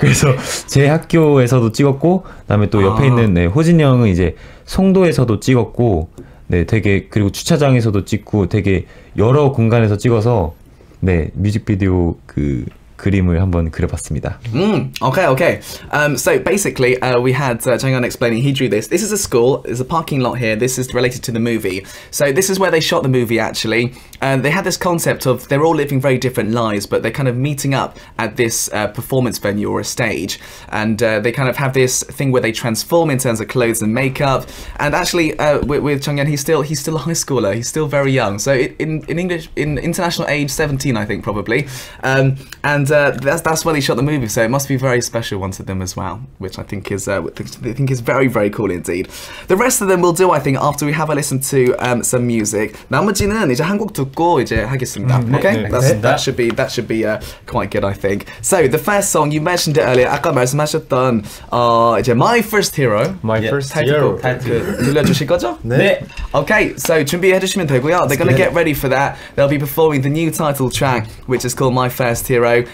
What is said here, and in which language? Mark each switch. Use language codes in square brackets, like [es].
[ko] 그래서 제 학교에서도 찍었고, 그다음에 또 옆에 있는 네, 호진이 형은 이제 송도에서도 찍었고, 네, 되게 그리고 주차장에서도 찍고 되게 여러 공간에서 찍어서 네, 뮤직비디오 그 그림을 한번 그려봤습니다. [en] Okay, okay. So basically, we had Jung-un explaining. He drew this. This is a school. There's a parking lot here. This is related to the movie. So this is where they shot the movie, actually. And they had this concept of they're all living very different lives, but they're kind of meeting up at this performance venue or a stage. And they kind of have this thing where they transform in terms of clothes and makeup. And actually, with Jung-un, he's still a high schooler. He's still very young. So in international age, 17, I think, probably. And that's where they shot the movie, so it must be a very special one to them as well, which I think is very, very cool indeed. The rest of them we'll do, I think, after we have a listen to some music. [ko] 나머지는 이제 한 곡 듣고 이제 하겠습니다. [en] Okay, that should be quite good, I think. So the first song you mentioned it earlier, [ko] 아까 말씀하셨던 이제 [en] My First Hero. Okay, so [ko] 준비해 주시면 되고요. [en] They're gonna get ready for that. They'll be performing the new title track, which is called My First Hero.